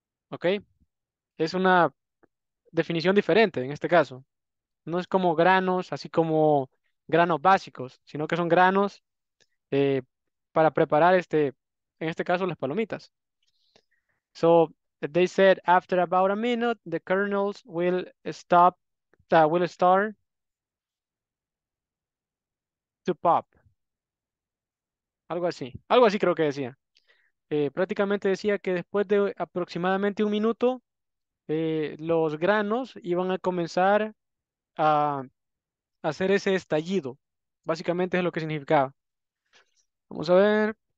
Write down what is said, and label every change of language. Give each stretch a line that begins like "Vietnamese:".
Spanish: ¿Ok? Es una definición diferente en este caso. No es como granos, así como granos básicos, sino que son granos para preparar en este caso, las palomitas.
English: So, they said after about a minute, the kernels will start to pop.
Spanish: Algo así creo que decía. Prácticamente decía que después de aproximadamente un minuto, los granos iban a comenzar a hacer ese estallido. Básicamente es lo que significaba. Vamos a ver.